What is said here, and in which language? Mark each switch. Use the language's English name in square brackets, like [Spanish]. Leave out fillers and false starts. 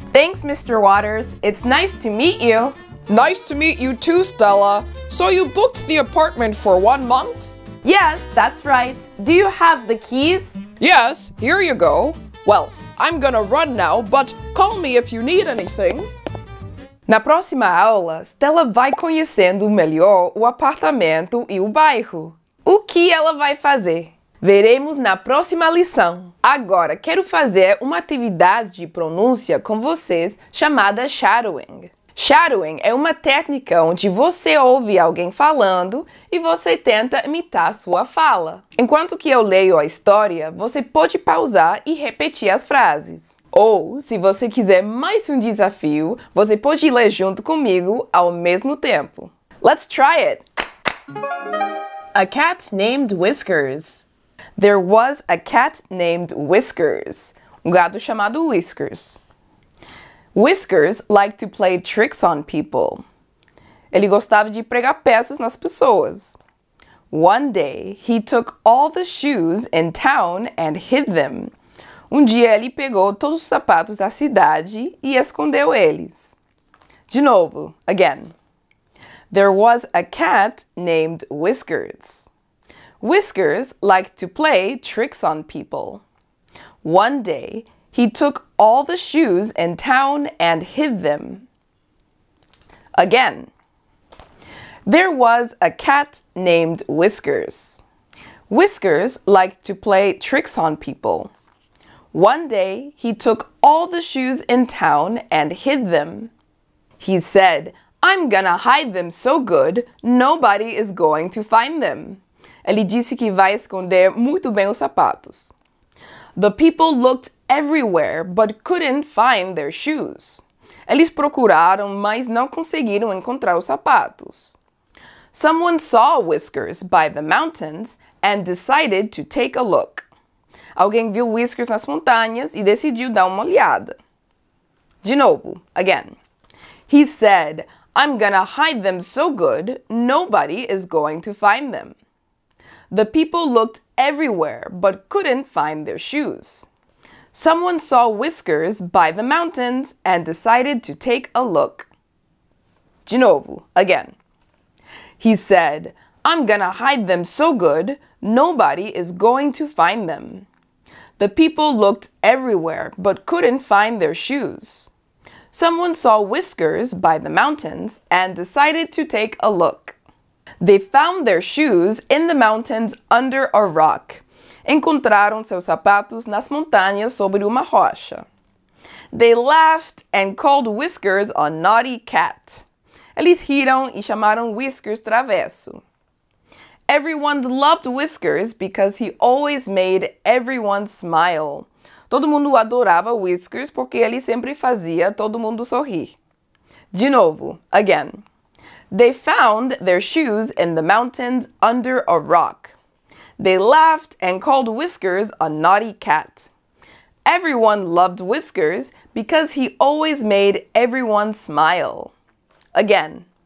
[English] Thanks, Mr. Waters. It's nice to meet you. Nice to meet you too, Stella. So you booked the apartment for 1 month? Yes, that's right. Do you have the keys? Yes, here you go. Well, I'm gonna run now, but call me if you need anything. [Portuguese] Na próxima aula, Stella vai conhecendo melhor o apartamento e o bairro. O que ela vai fazer? Veremos na próxima lição. Agora, quero fazer uma atividade de pronúncia com vocês chamada shadowing. Shadowing é uma técnica onde você ouve alguém falando e você tenta imitar sua fala. Enquanto que eu leio a história, você pode pausar e repetir as frases. Ou, se você quiser mais um desafio, você pode ler junto comigo ao mesmo tempo. [English] Let's try it! A cat named Whiskers. There was a cat named Whiskers. [Portuguese] Um gato chamado Whiskers. [English] Whiskers liked to play tricks on people. [Portuguese] Ele gostava de pregar peças nas pessoas. [English] One day, he took all the shoes in town and hid them. [Portuguese] Um dia, ele pegou todos os sapatos da cidade e escondeu eles. De novo, [English] again. There was a cat named Whiskers. Whiskers liked to play tricks on people. One day, he took all the shoes in town and hid them. Again. There was a cat named Whiskers. Whiskers liked to play tricks on people. One day, he took all the shoes in town and hid them. He said, I'm gonna hide them so good, nobody is going to find them. [Portuguese] Ele disse que vai esconder muito bem os sapatos. [English] The people looked everywhere, but couldn't find their shoes. [Portuguese] Eles procuraram, mas não conseguiram encontrar os sapatos. [English] Someone saw Whiskers by the mountains and decided to take a look. [Portuguese] Alguém viu Whiskers nas montanhas e decidiu dar uma olhada. De novo, [English] again. He said, I'm gonna hide them so good, nobody is going to find them. The people looked everywhere, but couldn't find their shoes. Someone saw Whiskers by the mountains and decided to take a look. [Portuguese] De novo, [English] again. He said, I'm gonna hide them so good, nobody is going to find them. The people looked everywhere, but couldn't find their shoes. Someone saw Whiskers by the mountains and decided to take a look. They found their shoes in the mountains under a rock. [Portuguese] Encontraram seus sapatos nas montanhas sobre uma rocha. [English] They laughed and called Whiskers a naughty cat. [Portuguese] Eles riram e chamaram Whiskers travesso. [English] Everyone loved Whiskers because he always made everyone smile. [Portuguese] Todo mundo adorava Whiskers porque ele sempre fazia todo mundo sorrir. De novo, [English] again. They found their shoes in the mountains under a rock. They laughed and called Whiskers a naughty cat. Everyone loved Whiskers because he always made everyone smile. Again.